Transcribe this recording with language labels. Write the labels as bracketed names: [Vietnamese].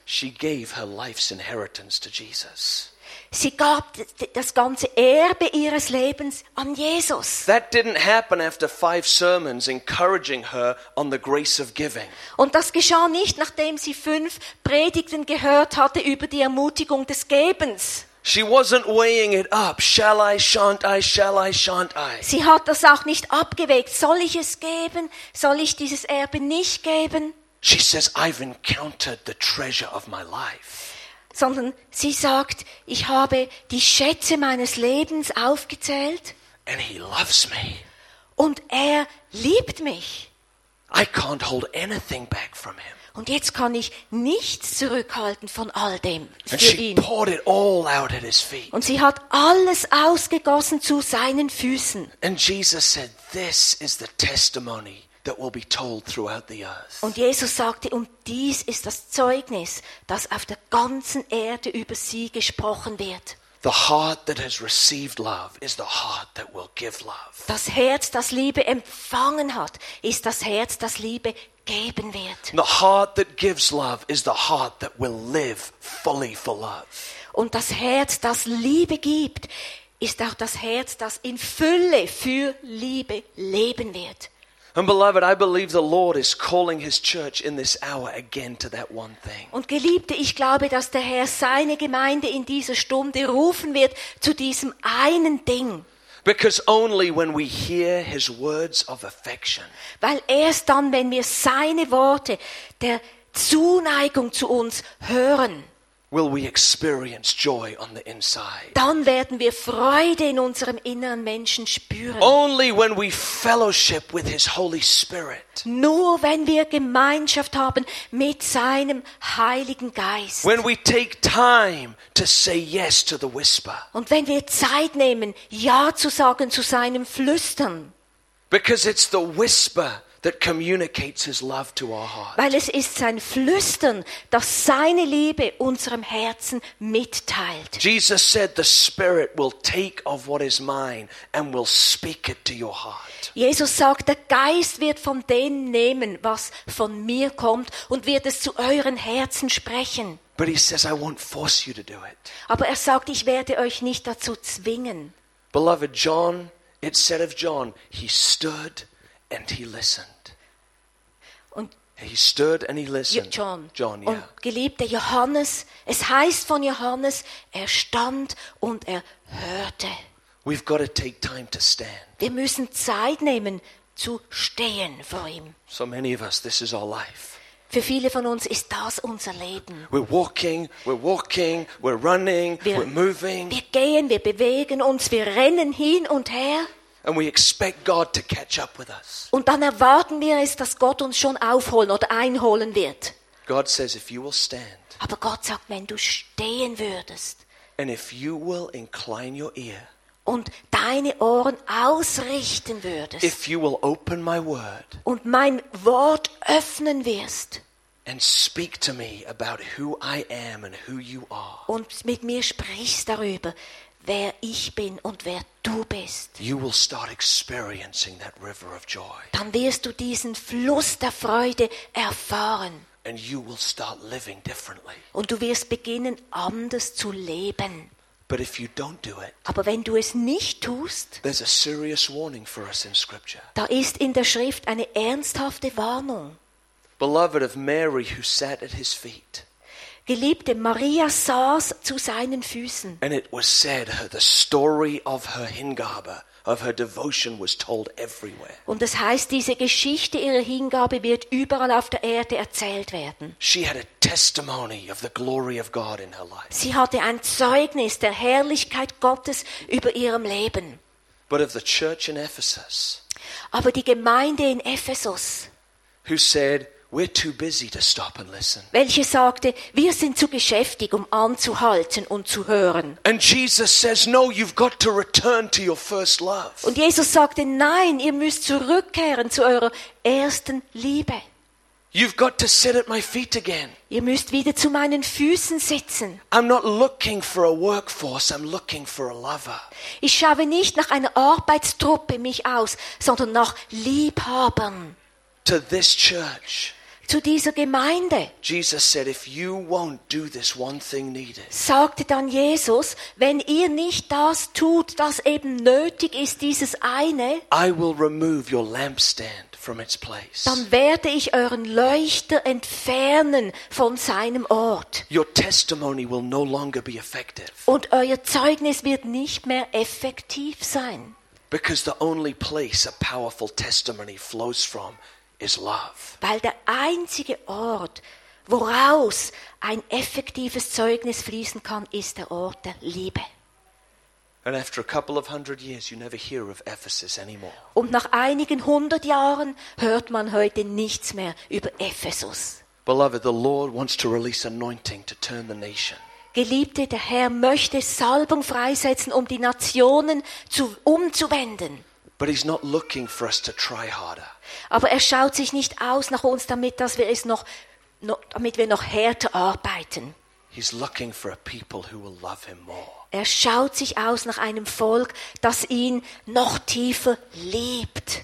[English] She gave her life's inheritance to Jesus. [German] Sie gab das ganze Erbe ihres Lebens an Jesus. [English] That didn't happen after five sermons encouraging her on the grace of giving. [German] Und das geschah nicht, nachdem sie fünf Predigten gehört hatte über die Ermutigung des Gebens. [English] She wasn't weighing it up. Shall I, shan't I, shall I, shan't I? [German] Sie hat das auch nicht abgewägt. Soll ich es geben? Soll ich dieses Erbe nicht geben? [English] She says, I've encountered the treasure of my life. [German] Sondern sie sagt, ich habe die Schätze meines Lebens aufgezählt. [English] And he loves me. [German] Und er liebt mich. [English] I can't hold anything back from him. [German] Und jetzt kann ich nichts zurückhalten von all dem für [English] And she [German] ihn. [English] Poured it all out at his feet. [German] Und sie hat alles ausgegossen zu seinen Füßen. [English] And Jesus said, this is the testimony that will be told throughout the earth. [German] Und Jesus sagte, und dies ist das Zeugnis, das auf der ganzen Erde über sie gesprochen wird. [English] The heart that has received love is the heart that will give love. [German] Das Herz, das Liebe empfangen hat, ist das Herz, das Liebe geben wird. [English] The heart that gives love is the heart that will live fully for love. [German] Und das Herz, das Liebe gibt, ist auch das Herz, das in Fülle für Liebe leben wird. [English] And beloved, I believe the Lord is calling his church in this hour again to that one thing. [German] Und Geliebte, ich glaube, dass der Herr seine Gemeinde in dieser Stunde rufen wird zu diesem einen Ding. [English] Because only when we hear his words of affection. [German] Weil erst dann, wenn wir seine Worte der Zuneigung zu uns hören, [English] will we experience joy on the inside? [German] Dann werden wir Freude in unserem inneren Menschen spüren. [English] Only when we fellowship with His Holy Spirit. [German] Nur wenn wir Gemeinschaft haben mit seinem Heiligen Geist. [English] When we take time to say yes to the whisper. [German] Und wenn wir Zeit nehmen, ja zu sagen zu seinem Flüstern. [English] Because it's the whisper that communicates his love to our heart. [German] Weil es ist sein Flüstern, das seine Liebe unserem Herzen mitteilt. [English] Jesus said the Spirit will take of what is mine and will speak it to your heart. [German] Jesus sagt, der Geist wird von dem nehmen, was von mir kommt und wird es zu euren Herzen sprechen. [English] But he says, I won't force you to do it. [German] Aber er sagt, ich werde euch nicht dazu zwingen. [English] Beloved John, it said of John, he stood and he listened. [German] Und [English] he stood and he listened. John, yeah. [German] Und geliebter Johannes, es heißt von Johannes, er stand und er hörte. [English] We've got to take time to stand. [German] Wir müssen Zeit nehmen zu stehen vor ihm. [English] So many of us, this is our life. [German] Für viele von uns ist das unser Leben. [English] We're walking, we're walking, we're running, we're moving. [German] Wir gehen, wir bewegen uns, wir rennen hin und her. [English] And we expect God to catch up with us. [German] Und dann erwarten wir es, dass Gott uns schon aufholen oder einholen wird. [English] God says, if you will stand. [German] Aber Gott sagt, wenn du stehen würdest. [English] And if you will incline your ear. [German] Und deine Ohren ausrichten würdest. [English] If you will open my word. [German] Und mein Wort öffnen wirst. [English] And speak to me about who I am and who you are. [German] Und mit mir sprichst darüber, wer ich bin und wer du bist. [English] You will start experiencing that river of joy. [German] Dann wirst du diesen Fluss der Freude erfahren. [English] And you will start living differently. [German] Und du wirst beginnen, anders zu leben. [English] But if you don't do it, [German] aber wenn du es nicht tust, [English] there's a serious warning for us in Scripture. [German] Da ist in der Schrift eine ernsthafte Warnung. [English] Beloved of Mary, who sat at his feet. [German] Geliebte Maria saß zu seinen Füßen. [English] And it was said the story of her Hingabe, of her devotion, was told everywhere. [German] Und es heißt, diese Geschichte ihrer Hingabe wird überall auf der Erde erzählt werden. [English] She had a testimony of the glory of God in her life. [German] Sie hatte ein Zeugnis der Herrlichkeit Gottes über ihrem Leben. [English] But of the church in Ephesus. [German] Aber die Gemeinde in Ephesus. [English] Who said, we're too busy to stop and listen. [German] Welche sagte, wir sind zu beschäftig, um anzuhalten und zu hören. [English] And Jesus says, no, you've got to return to your first love. [German] Und Jesus sagte, nein, ihr müsst zurückkehren zu eurer ersten Liebe. [English] You've got to sit at my feet again. [German] Ihr müsst wieder zu meinen Füßen sitzen. [English] I'm not looking for a workforce, I'm looking for a lover. [German] Ich schaue nicht nach einer Arbeitstruppe mich aus, sondern nach Liebhabern. [English] To this church. [German] Zu dieser Gemeinde. [English] Jesus said, if you won't do this one thing needed. [German] Sagte dann Jesus, wenn ihr nicht das tut, das eben nötig ist, dieses eine. [English] I will remove your lampstand from its place. [German] Dann werde ich euren Leuchter entfernen von seinem Ort. [English] Your testimony will no longer be effective. [German] Und euer Zeugnis wird nicht mehr effektiv sein. [English] Because the only place a powerful testimony flows from is love. [German] Weil der einzige Ort, woraus ein effektives Zeugnis fließen kann, ist der Ort der Liebe. [English] And after a couple of hundred years, you never hear of Ephesus anymore. [German] Und nach einigen hundert Jahren hört man heute nichts mehr über Ephesus. [English] Beloved, the Lord wants to release anointing to turn the nation. [German] Geliebte, der Herr möchte Salbung freisetzen, um die Nationen umzuwenden. [English] But he's not looking for us to try harder. [German] Aber er schaut sich nicht aus nach uns, damit wir noch härter arbeiten. [English] He's looking for a people who will love him more. [German] Er schaut sich aus nach einem Volk, das ihn noch tiefer liebt.